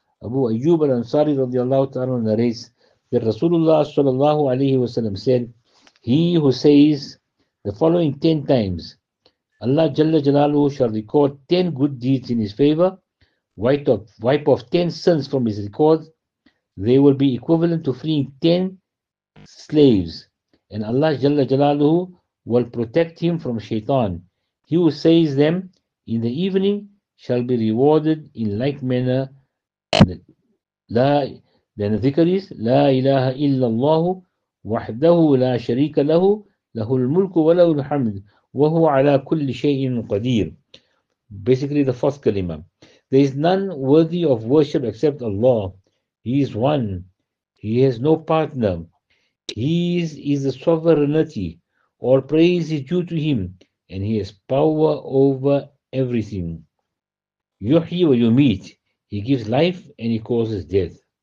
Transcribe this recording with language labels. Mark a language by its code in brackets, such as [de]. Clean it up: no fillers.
[en] Abu Ayyub al-Ansari [ar] radiallahu ta'ala [en] narrates that Rasulullah [ar] sallallahu alayhi wasallam [en] said, he who says the following 10 times, Allah [ar] Jalla Jalaluhu [en] shall record 10 good deeds in his favor, wipe off 10 sins from his record, they will be equivalent to freeing 10 slaves, and Allah [ar] Jalla Jalaluhu [en] will protect him from shaitan. He who says them in the evening shall be rewarded in like manner. Then the dhikr is [ar] La ilaha illallah وَحْدَهُ لَا شَرِيكَ لَهُ لَهُ الْمُلْكُ وَلَهُ الْحَمْدُ وَهُوَ عَلَىٰ كُلِّ شَيْءٍ قَدِيرٌ. [en] Basically the fourth kalima. There is none worthy of worship except Allah. He is one. He has no partner. He is the sovereignty. All praise is due to Him, and he has power over everything. [ar] Yuhyi wa yumit, [en] he gives life and he causes death.